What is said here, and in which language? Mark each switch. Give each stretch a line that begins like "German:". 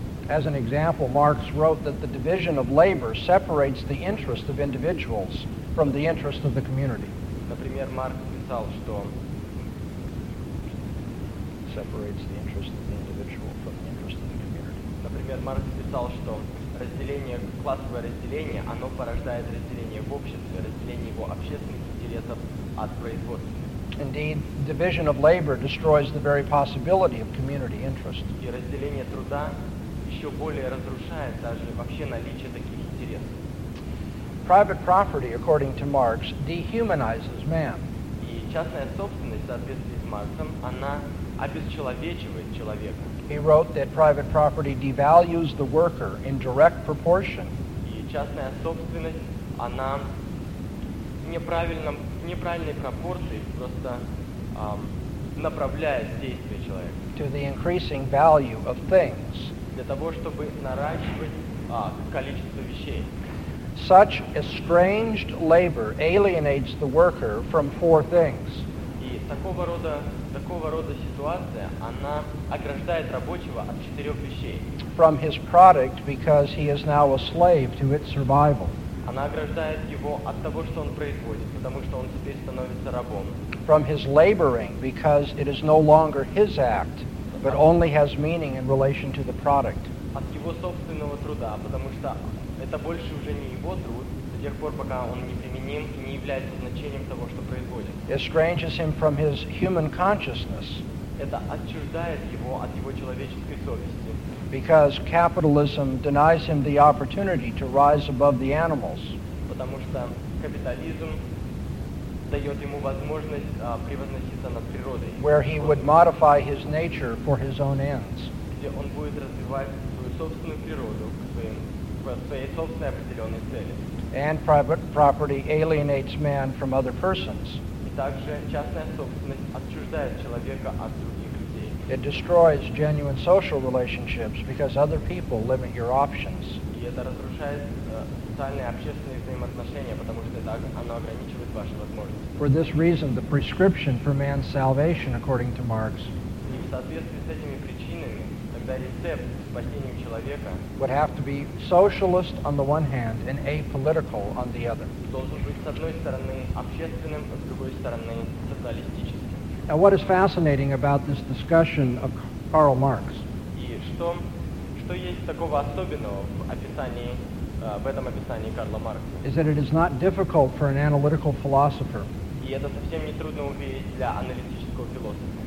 English: As an example, Marx wrote that the division of labor separates the interest of individuals from the interest of the community.
Russian: Например, Маркс писал, что
English: separates the interest of the individual from the interest of the community.
Russian: Например, Маркс писал, что разделение, классовое разделение, оно порождает разделение в обществе, разделение его общественных интересов от производства.
English: Indeed, division of labor destroys the very possibility of community interest.
Russian: И разделение труда еще более разрушает даже вообще наличие таких интересов.
English: Private property, according to Marx, dehumanizes man.
Russian: И частная собственность, в соответствии с Марксом, она обесчеловечивает человека.
English: He wrote that private property devalues the worker in direct proportion.
Russian: И частная собственность, она неправильной пропорции просто направляет действие человека.
English: To the increasing value of things.
Russian: Для того, чтобы наращивать количество вещей.
English: Such estranged labor alienates the worker from four things.
Russian: И такого рода ситуация, она ограждает рабочего от четырех вещей.
English: From his product, because he is now a slave to its survival.
Russian: Она ограждает его от того, что он производит, потому что он теперь становится рабом.
English: From his laboring, because it is no longer his act, but only has meaning in relation to the product.
Russian: От его собственного труда, потому что это больше уже не его труд, до тех пор, пока он не применим и не является значением того, что происходит.
English: It estranges him from his human consciousness.
Russian: Это отчуждает его от его человеческой совести.
English: Because capitalism denies him the opportunity to rise above the animals.
Russian: Потому что капитализм дает ему возможность превозноситься над природой.
English: Where he would modify his nature for his own ends.
Russian: Где он будет развивать свою собственную природу к своей собственной определенной цели.
English: And private property alienates man from other persons.
Russian: И также частная собственность отчуждает человека от других людей.
English: It destroys genuine social relationships because other people limit your options.
Russian: И это разрушает социальные общественные взаимоотношения, потому что так оно ограничивает ваши возможности.
English: For this reason, the prescription for man's salvation, according to Marx,
Russian: и в соответствии с этими причинами, тогда рецепт спасения человека
English: would have to be socialist on the one hand and apolitical on the other.
Russian: Должен быть с одной стороны общественным, а с другой стороны социалистическим.
English: Now, what is fascinating about this discussion of Karl Marx?
Russian: И что есть такого особенного в описании? В этом описании Карла Маркса.
English: Is that it is not difficult for an analytical philosopher.
Russian: И это совсем не трудно увидеть для аналитического философа.